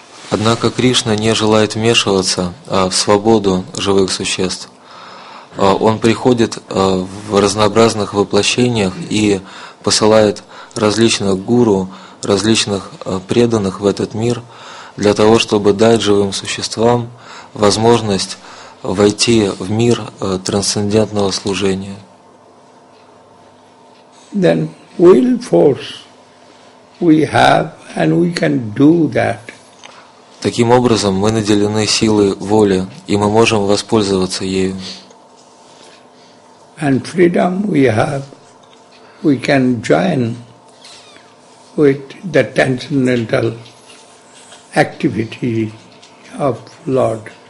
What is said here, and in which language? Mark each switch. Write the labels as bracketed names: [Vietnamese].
[Russian] Однако Кришна не желает вмешиваться в свободу живых существ. Он приходит в разнообразных воплощениях и посылает различных гуру, различных преданных в этот мир для того, чтобы дать живым существам возможность войти в мир трансцендентного служения. [English] Then will force we have and we can do that. [Russian] Таким образом, мы наделены силой воли, и мы можем воспользоваться ею. [English] And freedom we have, we can join with the transcendental activity of Lord.